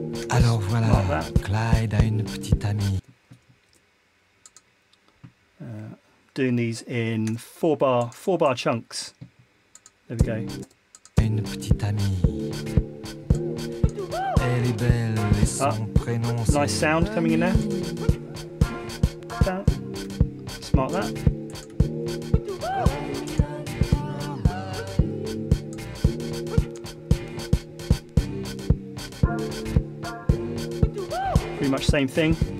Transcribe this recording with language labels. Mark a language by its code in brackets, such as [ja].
[fr] Alors voilà, Clyde a une petite amie. [en] Doing these in four bar chunks. There we go. [fr] Une petite amie. Elle est belle et son prénom. [en] Nice sound coming in there. That. Smart that. Pretty much same thing.